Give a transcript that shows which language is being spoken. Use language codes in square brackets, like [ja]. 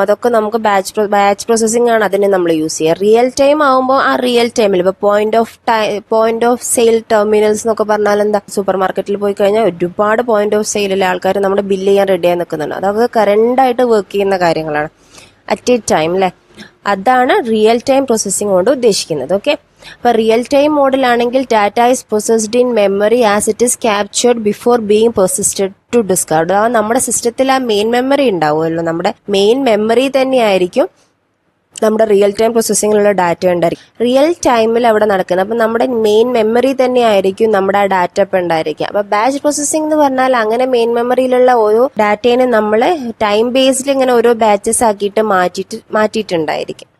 [ml] അതൊക്കെ നമുക്ക് batch processing ആണ് അതിനെ നമ്മൾ യൂസ് ചെയ്യുക. റിയൽ ടൈം ആകുമ്പോൾ ആ റിയൽ ടൈമിൽ ഇപ്പോൾ പോയിന്റ് ഓഫ് സെയിൽ ടെർമിനൽസ് എന്നൊക്കെ പറഞ്ഞാൽ എന്താ, സൂപ്പർ മാർക്കറ്റിൽ പോയി കഴിഞ്ഞാൽ ഒരുപാട് പോയിന്റ് ഓഫ് സെയിലുള്ള ആൾക്കാർ നമ്മുടെ ബില്ല് ചെയ്യാൻ റെഡി ആയി നിൽക്കുന്നുണ്ട്. അതൊക്കെ കറന്റായിട്ട് വർക്ക് ചെയ്യുന്ന കാര്യങ്ങളാണ് [en] at a time [ml] അല്ലേ. അതാണ് റിയൽ ടൈം പ്രോസസ്സിംഗ് കൊണ്ട് ഉദ്ദേശിക്കുന്നത്. Okay, [en] For real-time model, data is processed in memory as it is captured before being persisted to disk. [ml] നമ്മുടെ സിസ്റ്റത്തിൽ ആ മെയിൻ മെമ്മറി ഉണ്ടാവുമല്ലോ, നമ്മുടെ മെയിൻ മെമ്മറി തന്നെയായിരിക്കും നമ്മുടെ റിയൽ ടൈം പ്രോസസ്സിങ്ങിലുള്ള ഡാറ്റ ഉണ്ടായിരിക്കും. റിയൽ ടൈമിൽ അവിടെ നടക്കുന്നത് അപ്പം നമ്മുടെ മെയിൻ മെമ്മറി തന്നെയായിരിക്കും നമ്മുടെ ആ ഡാറ്റ ഇപ്പം ഉണ്ടായിരിക്കുക. അപ്പം ബാച്ച് പ്രോസസ്സിംഗ് എന്ന് പറഞ്ഞാൽ അങ്ങനെ മെയിൻ മെമ്മറിയിലുള്ള ഓരോ ഡാറ്റേനെ നമ്മൾ ടൈം ബേസ്ഡ് ഇങ്ങനെ ഓരോ ബാച്ചസ് ആക്കിയിട്ട് മാറ്റിയിട്ടുണ്ടായിരിക്കും.